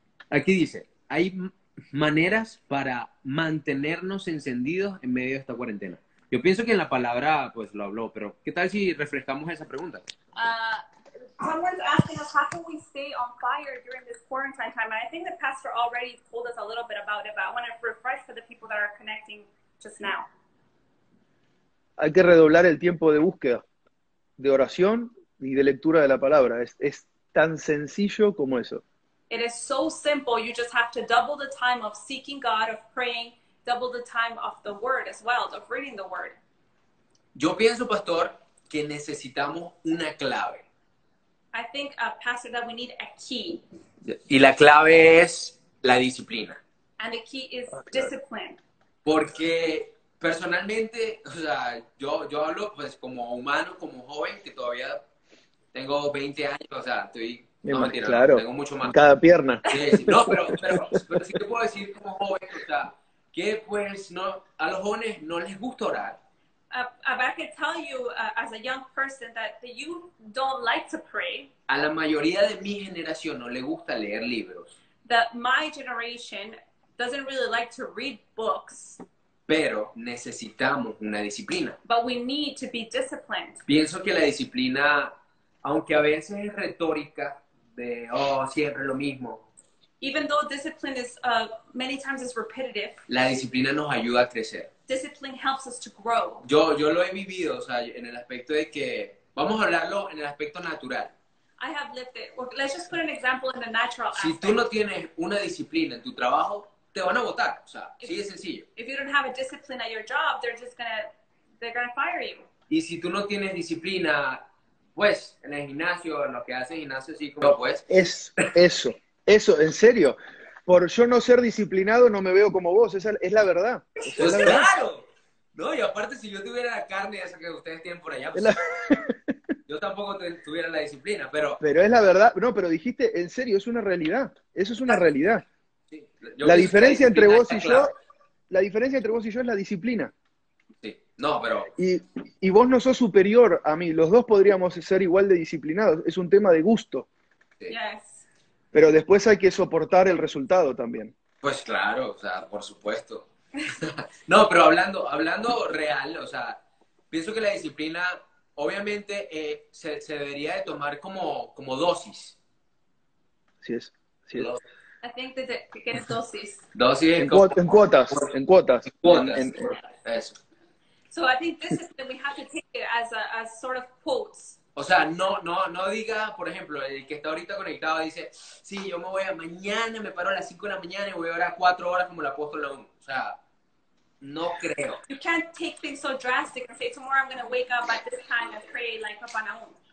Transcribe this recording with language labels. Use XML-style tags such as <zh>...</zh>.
<es>Aquí dice, ¿hay maneras para mantenernos encendidos en medio de esta cuarentena? Yo pienso que en la palabra, pues, lo habló, pero ¿qué tal si refrescamos esa pregunta?</es> <en>Someone's asking us, how can we stay on fire during this quarantine time? And I think the pastor already told us a little bit about it, but I want to refresh for the people that are connecting just now.</en> <es>Hay que redoblar el tiempo de búsqueda, de oración y de lectura de la palabra. Es tan sencillo como eso.</es> <en>It is so simple. You just have to double the time of seeking God, of praying, double the time of the word as well, of reading the word.</en> <es>Yo pienso, pastor, que necesitamos una clave.</es> <en>I think, pastor, that we need a key.</en> <es>Y la clave es la disciplina.</es> <en>And the key is discipline.</en> <es>Porque personalmente, o sea, yo hablo pues como humano, como joven, que todavía tengo 20 años, o sea, estoy... No, mentira, claro, tengo mucho más. Cada pierna. Sí. No, pero sí te puedo decir como joven, o sea, que pues no, a los jóvenes no les gusta orar.</es> <en>I can tell you as a young person that the youth don't like to pray.</en> <es>A la mayoría de mi generación no le gusta leer libros.</es> <en>That my generation doesn't really like to read books.</en> <es>Pero necesitamos una disciplina.</es> <en>But we need to be disciplined.</en> <es>Pienso que la disciplina, aunque a veces es retórica de, oh, siempre lo mismo.</es> <en>Even though discipline is, many times is repetitive.</en> <es>La disciplina nos ayuda a crecer.</es> <en>Discipline helps us to grow.</en> <es>Yo lo he vivido, o sea, en el aspecto de que, vamos a hablarlo en el aspecto natural.</es> <en>I have lived it. Well, let's just put an example in the natural aspect.</en> <es>Si tú no tienes una disciplina en tu trabajo, te van a botar, o sea, sí es sencillo.</es> <en>If you don't have a discipline at your job, they're gonna fire you.</en> <es>Y si tú no tienes disciplina, pues, en el gimnasio, en lo que hace el gimnasio, sí, como pues. Es eso. Eso, en serio. Por yo no ser disciplinado, no me veo como vos. Es la verdad. Es pues la ¡claro! Verdad. No, y aparte, si yo tuviera la carne esa que ustedes tienen por allá, pues la... yo tampoco tuviera la disciplina, pero... Pero es la verdad. No, pero dijiste, en serio, es una realidad. Eso es una realidad. Sí, la diferencia entre vos y yo... Claro. La diferencia entre vos y yo es la disciplina. No, pero... Y vos no sos superior a mí. Los dos podríamos ser igual de disciplinados. Es un tema de gusto. Sí.</es> <en>Yes.</en> <es>Pero después hay que soportar el resultado también. Pues claro, o sea, por supuesto. No, pero hablando real, o sea, pienso que la disciplina, obviamente, se debería de tomar como dosis. Así es, así es.</es> <en>I think that</en> <es>¿qué es dosis? Dosis en cuotas. Eso.</es> <en>So I think this is that we have to take it as sort of quotes.</en> <es>O sea, no diga, por ejemplo, el que está ahorita conectado dice, sí, yo me voy a mañana, me paro a las 5 de la mañana y voy a orar 4 horas como el apóstol la 1. O sea, no creo.</es> <en>You can't take things so drastic and say, tomorrow I'm going to wake up at this time and pray like upon a 1.</en>